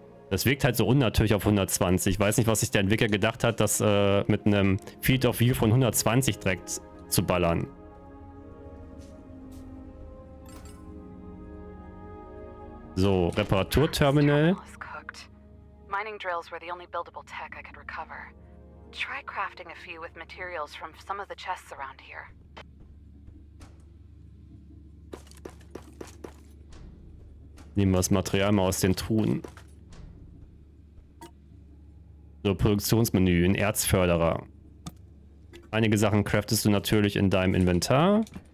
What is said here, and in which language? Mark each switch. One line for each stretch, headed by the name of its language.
German: Das wirkt halt so unnatürlich auf 120. Ich weiß nicht, was sich der Entwickler gedacht hat, das mit einem Field of View von 120 direkt zu ballern. So, Reparaturterminal. Mining Drills waren die einzige buildable Tech, die ich konnte recover.
English: Try crafting a few with materials from some of the chests around here.
German: Nehmen wir das Material mal aus den Truhen. So, Produktionsmenü, ein Erzförderer. Einige Sachen craftest du natürlich in deinem Inventar.